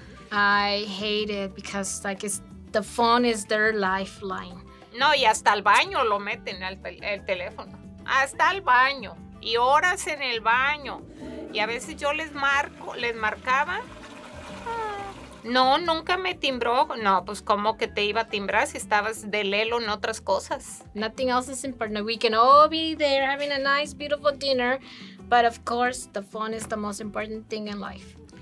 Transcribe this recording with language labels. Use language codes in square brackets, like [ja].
[en] I hate it because, like, it's, the phone is their lifeline. [es] No, y hasta el baño lo meten el teléfono. Hasta el baño. Y horas en el baño. Y a veces yo les marcaba. No, nunca me timbró. No, pues, ¿cómo que te iba a timbrar si estabas de lelo en otras cosas? [en] Nothing else is important. We can all be there having a nice, beautiful dinner. But, of course, the phone is the most important thing in life.